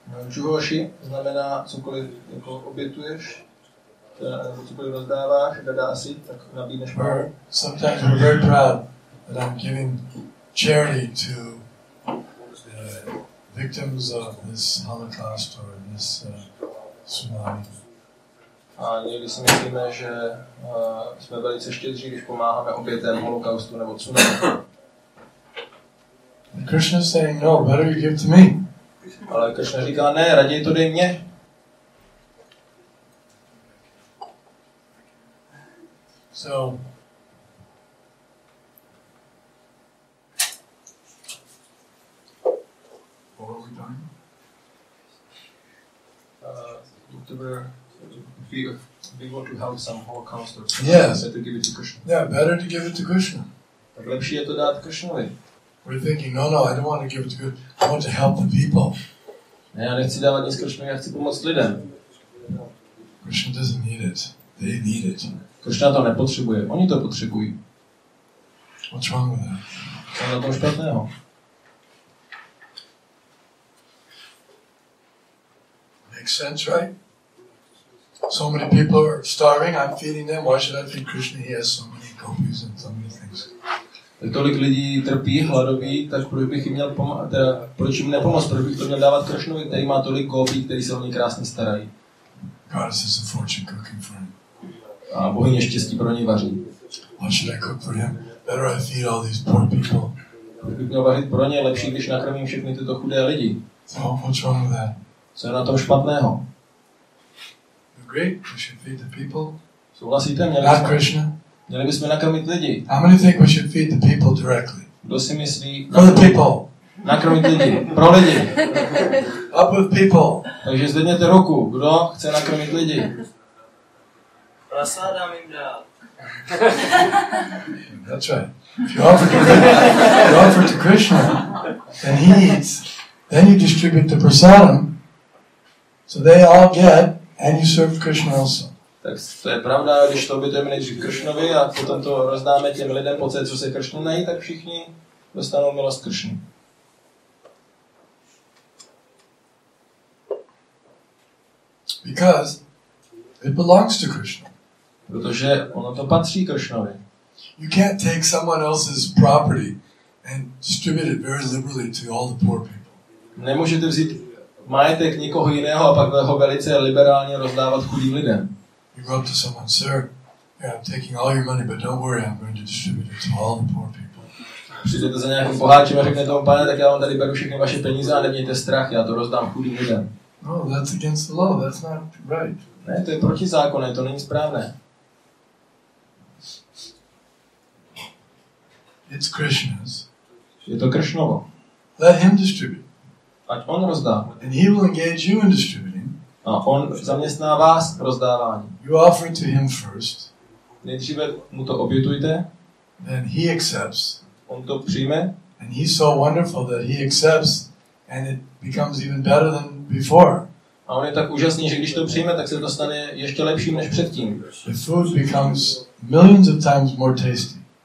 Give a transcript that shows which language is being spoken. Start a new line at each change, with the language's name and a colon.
Czech: Juhoshi znamená cokoliv jako obětuješ, nebo cokoliv rozdáváš, dada asi, tak nabídneš mu.
English: Sometimes we're very proud that I'm giving charity to victims of this Holocaust or this tsunami.
Czech: A někdy si myslíme, že jsme velice štědří, když pomáháme obětem holokaustu nebo tsunami.
English: And Krishna is saying, no, better you give to me.
Czech: Ale Krishna říká, ne, raději to dej mně.
English: So, what are we doing? We want to help some Holocausters. Yes. Better to give it to Krishna. Yeah, better to give it to Krishna.
Czech: Tak lepší je to dát Krishnovi.
English: We're thinking, no, I don't want to give it to God. I want to help the people.
Czech: Ne, já nechci dávat nic Krishna, já chci pomoct lidem.
English: Krishna doesn't need it. They need it.
Czech: Krishna to nepotřebuje. Oni to potřebují.
English: What's wrong with that?
Czech: Co je na tom špatného?
English: Makes sense, right? So many people are starving. I'm feeding them. Why should I feed Krishna? He has so many gopis and so many things.
Czech: Tak tolik lidí trpí, hladoví, tak proč bych jim měl pomáhat, teda proč jim nepomoct, proč bych to měl dávat Krishnovi, který má tolik gopí, který se o ně krásně starají.
English: God is a fortune cooking for him.
Czech: A bohyně štěstí pro něj vaří.
English: What should I cook for him? Better I feed all these poor people.
Czech: Proč bych měl vařit pro ně, lepší, když nakrmím všechny tyto chudé lidi.
English: So, what's wrong with that?
Czech: Co je na tom špatného?
English: Great, we should feed the people.
Czech: Souhlasíte, měli bychom nakrmit lidi.
English: How many think we should feed the people directly?
Czech: Kdo si myslí?
English: For the people.
Czech: Nakrmit lidi. Pro lidi.
English: Up with people.
Czech: Takže zvedněte ruku. Kdo chce nakrmit lidi? Prasádám jim dál.
English: That's right. If you offer to Krishna, then he eats. Then you distribute the prasadam. So they all get, and you serve Krishna also.
Czech: Tak to je pravda, když to obětujeme nejdřív Kršnovi a potom to rozdáme těm lidem po celé, co se Kršnu nejí, tak všichni dostanou milost Kršny.
English: Because it belongs to Krishna.
Czech: Protože ono to patří Kršnovi.
English: You can't take someone else's property and distribute it very liberally to all the poor people.
Czech: Nemůžete vzít majetek nikoho jiného a pak ho velice liberálně rozdávat chudým lidem.
English: You go up to someone, sir. Yeah, I'm taking all your money, but don't worry, I'm going to distribute it to all the poor people.
Czech: Přijdete za nějakým boháčem a řekne tomu pane, tak já vám tady beru všechny vaše peníze a nemějte strach, já to rozdám chudým lidem.
English: No, that's against the law. That's not right.
Czech: Ne, to je proti zákonu, to není správné.
English: It's Krishna's.
Czech: Je to Krishnovo.
English: Let him distribute.
Czech: Ať on rozdá.
English: And he will engage you in distributing.
Czech: A on zaměstná vás rozdávání.
English: You offer to him first.
Czech: Nejdříve mu to obětujte.
English: Then he accepts.
Czech: On to přijme.
English: And he's so wonderful that he accepts and it becomes even better than before.
Czech: A on je tak úžasný, že když to přijme, tak se to stane ještě lepším než předtím.
English: The food becomes millions of times more tasty.